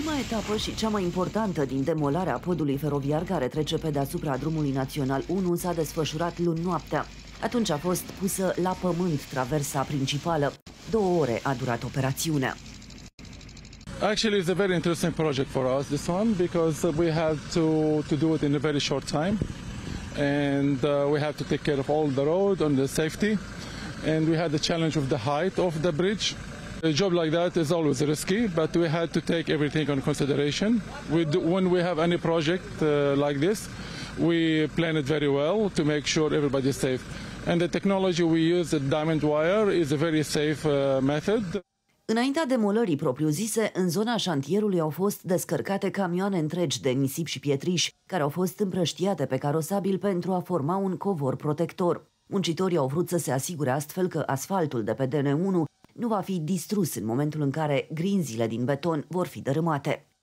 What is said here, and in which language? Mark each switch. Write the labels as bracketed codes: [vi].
[ro] Etapă și cea mai importantă din demolarea podului feroviar care trece pe deasupra drumului național 1 s-a desfășurat luni noaptea. Atunci a fost pusă la pământ traversa principală. 2 ore a durat operațiunea. [en] Actually, it's a very interesting project for us, this one, because we had to do it in a very short time. And we have to take care of all the road and the safety. And we had the challenge of the height of the bridge. A job like that is always risky, but we had to take everything on consideration. When we have any project like this, we plan it very well to make sure everybody is safe. And the technology we use, the diamond wire, is a very safe method. [ro] Înaintea demolării propriu-zise, în zona șantierului au fost descărcate camioane întregi de nisip și pietriș, care au fost împrăștiate pe carosabil pentru a forma un covor protector. Muncitorii au vrut să se asigure astfel că asfaltul de pe DN1 nu va fi distrus în momentul în care grinzile din beton vor fi dărâmate.